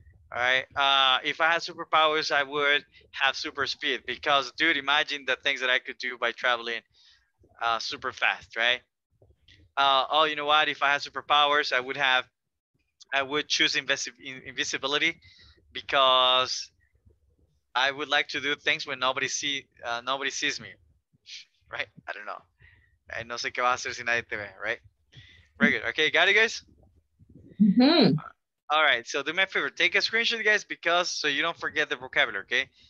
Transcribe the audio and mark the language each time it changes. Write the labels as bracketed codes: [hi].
[en] All right, if I had superpowers, I would have super speed because, dude, imagine the things that I could do by traveling super fast, right? Oh, you know what? If I had superpowers, I would choose invisibility because I would like to do things when nobody sees me, right? I don't know. [es] I no sé qué va a hacer si nadie te ve, right? [en] Very good. Okay, got it, guys? Mm-hmm. All right, so do me a favor. Take a screenshot, guys, because so you don't forget the vocabulary, okay?